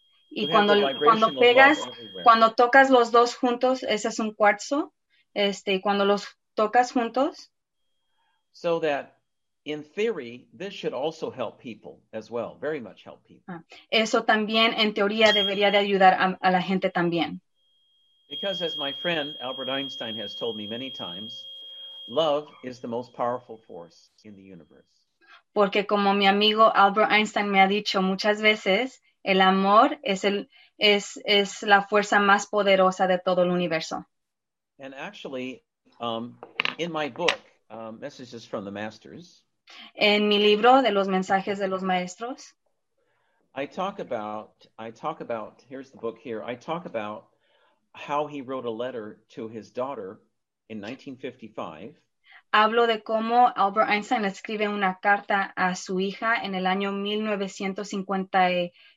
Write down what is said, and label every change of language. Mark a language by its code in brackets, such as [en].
[es] Y cuando pegas, cuando tocas los dos juntos, ese es un cuarzo, y cuando los tocas juntos. [en] So that, in theory, this should also help people as well, very much help people. [es] Eso también, en teoría, debería de ayudar a la gente también. [en] Because as my friend Albert Einstein has told me many times, love is the most powerful force in the universe. [es] Porque como mi amigo Albert Einstein me ha dicho muchas veces, el amor es la fuerza más poderosa de todo el universo. [en] And actually, in my book, Messages from the Masters. [es] En mi libro de los mensajes de los maestros. [en] I talk about, here's the book here. I talk about how he wrote a letter to his daughter in 1955. [es] Hablo de cómo Albert Einstein escribe una carta a su hija en el año 55.